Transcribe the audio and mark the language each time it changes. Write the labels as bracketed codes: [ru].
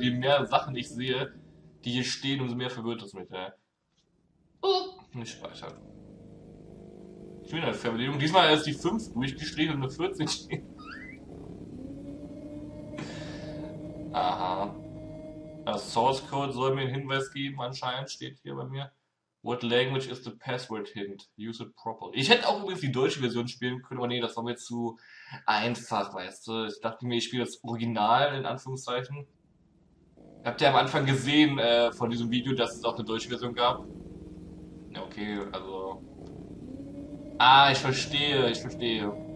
[de] Je mehr Sachen ich sehe, die hier stehen, umso mehr verwirrt es mich. Ja. Nicht speichern. Ich bin eine Fernbedienung. Diesmal ist die 5 durchgestrichen und eine 14 stehen. Aha. Das Source Code soll mir einen Hinweis geben, anscheinend steht hier bei mir. [en] What language is the password hint? Use it properly. [de] Ich hätte auch übrigens die deutsche Version spielen können, aber nee, das war mir zu einfach, weißt du. Ich dachte mir, ich spiele das Original in Anführungszeichen. Habt ihr am Anfang gesehen von diesem Video, dass es auch eine deutsche Version gab? Ja, okay, also. Ah, ich verstehe, ich verstehe.